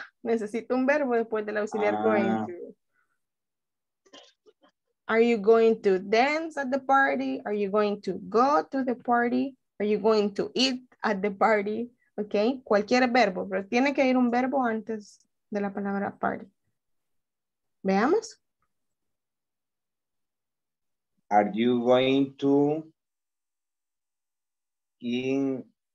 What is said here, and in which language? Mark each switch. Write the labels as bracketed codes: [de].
[es] Necesito un verbo después del auxiliar going to. [en] Are you going to dance at the party? Are you going to go to the party? Are you going to eat at the party? [es] Ok, cualquier verbo, pero tiene que ir un verbo antes de la palabra party. Veamos. [en] Are you going to in...